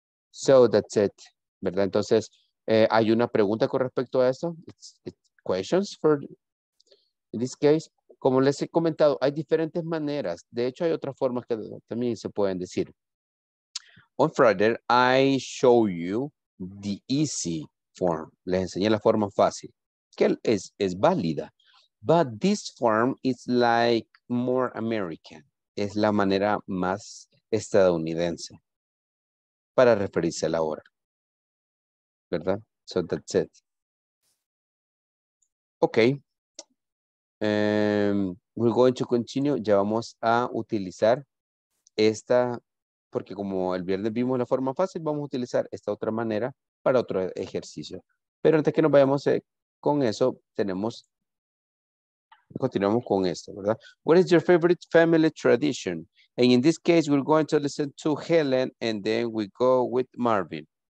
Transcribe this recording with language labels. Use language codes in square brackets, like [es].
[en] So, that's it, [es] ¿verdad? Entonces, ¿hay una pregunta con respecto a eso? [en] It's questions for, in this case. [es] Como les he comentado, hay diferentes maneras. De hecho, hay otras formas que también se pueden decir. [en] On Friday, I show you the easy form. [es] Les enseñé la forma fácil, que es válida. [en] But this form is like more American. [es] Es la manera más estadounidense para referirse a la hora. [en] ¿Verdad? So that's it. Okay. We're going to continue. [es] Ya vamos a utilizar esta, porque como el viernes vimos la forma fácil, vamos a utilizar esta otra manera para otro ejercicio. Pero antes que nos vayamos con eso, continuamos con esto, ¿verdad? [en] What is your favorite family tradition? And in this case, we're going to listen to Helen and then we go with Marvin.